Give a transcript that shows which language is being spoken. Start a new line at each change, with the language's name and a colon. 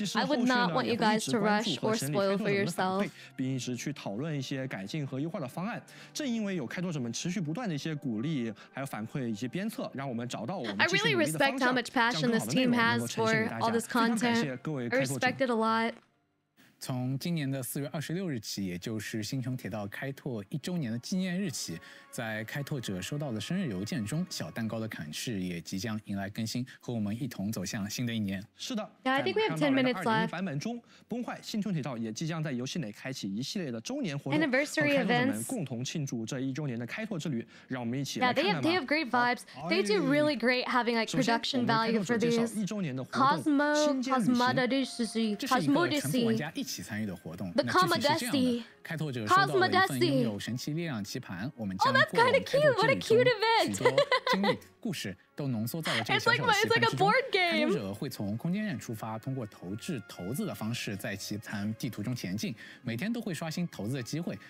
English: I would not want you guys to rush or spoil for yourself. I really respect how much passion this team has for all this content. I respect it a lot.
Chinese: 从今年的4月26日起，也就是星穹铁道开拓一周年的纪念日起，在开拓者收到的生日邮件中，小蛋糕的砍式也即将迎来更新，和我们一同走向新的一年。是的，在马上到来的2021 版本中，崩坏星穹铁道也即将在游戏内开启一系列的周年活动，和开拓者们共同庆祝这一周年的开拓之旅。让我们一起来看看吧。
English: Yeah, they have great vibes. They do really great having like production value for these.
Chinese: 首先，我们开拓者介绍一周年的活动
English: ——Cosmodyssey。
Chinese: 一起参与的活动。
English: The Cosmodyssey。
Chinese: 开拓者收到了一份拥有神奇力量棋盘，我们将获得开拓之旅中许多经历、故事都浓缩在了这个小小棋盘之中。开拓者会从空间站出发，通过投掷骰子的方式在棋盘地图中前进，每天都会刷新骰子的机会。